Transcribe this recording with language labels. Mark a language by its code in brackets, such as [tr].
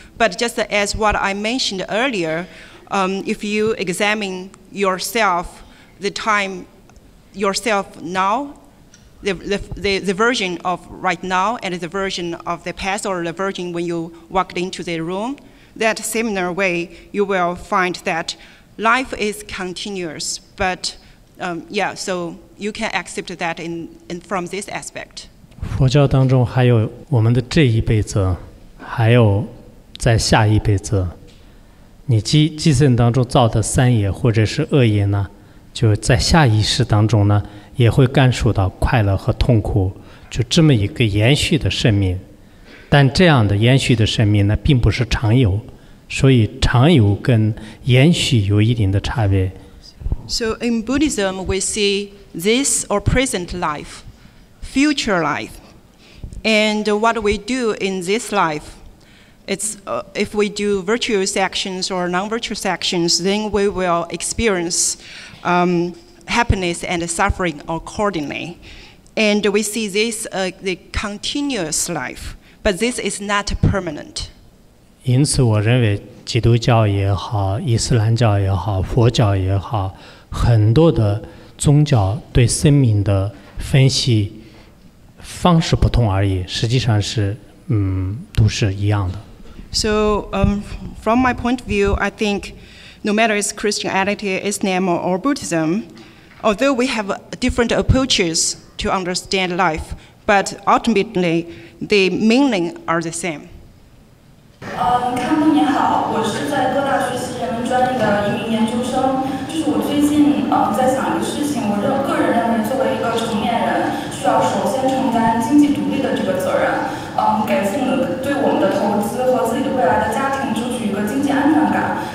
[en] But just as what I mentioned earlier, if you examine yourself, the time yourself now, the version of right now and the version of the past or the version when you walked into the room, that similar way, you will find that life is continuous, but so you can accept that in from this aspect. [zh] 佛教当中还有我们的这一辈子，还有在下一辈子，你积善当中造的善业或者是恶业呢，就在下一世当中呢，也会感受到快乐和痛苦，就这么一个延续的生命。但这样的延续的生命呢，并不是常有。所以常有跟延续有一定的差别， [en] So in Buddhism, we see this or present life, future life. And what we do in this life, it's, if we do virtuous actions or non-virtuous actions, then we will experience happiness and suffering accordingly. And we see this the continuous life, but this is not permanent. [zh] 因此我认为基督教也好，伊斯兰教也好，佛教也好，很多的宗教对生命的分析方式不同而已，实际上是都是一样的。 [en] So, from my point of view, I think no matter it's Christianity, Islam, or Buddhism, although we have different approaches to understand life, but ultimately the meaning are the same. [zh] 康普你好，我是在哥大学习人文专业的一名研究生。就是我最近在想一个事情，我认个人认为作为一个成年人，需要首先承担经济独立的这个责任，给父母对我们的投资和自己的未来的家庭争取一个经济安全感。